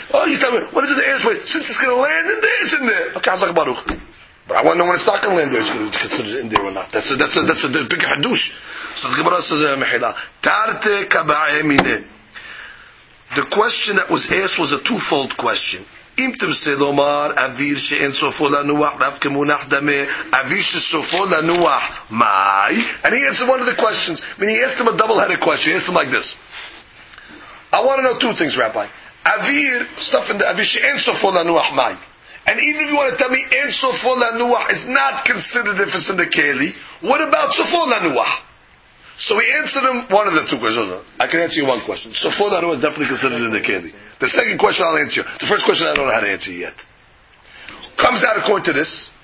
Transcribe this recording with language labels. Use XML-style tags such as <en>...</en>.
<en>Oh, you tell me, what is it, the airspace? Since it's going to land in there, it's in there. Okay, Hazak Baruch. But I want to know when it's not going to land there. It's going to be considered in there or not. That's a big hadush. So the Gemara says, Mechila, Tarte Kaba'e Mine. The question that was asked was a twofold question.</en> <he>אם תמסד לומר אוויר שאין סופו לנוח ואף כמונח דמי אוויר שסופו לנוח מי?</he> <en>And he answered one of the questions. I mean, he asked him a double-headed question. He asked him like this. I want to know two things, Rabbi.</en> <he>אוויר,</he> <en>stuff in the</en> <he>אוויר שאין סופו לנוח מי?</he> <en>And even if you want to tell me</en> <he>אין סופו לנוח</he> <en>is not considered if it's in the Keli, what about סופו לנוח? So he answered him one of the two questions. I can answer you one question. So for that, it was definitely considered in the Keli. The second question I'll answer you. The first question I don't know how to answer yet. Comes out according to this.</en>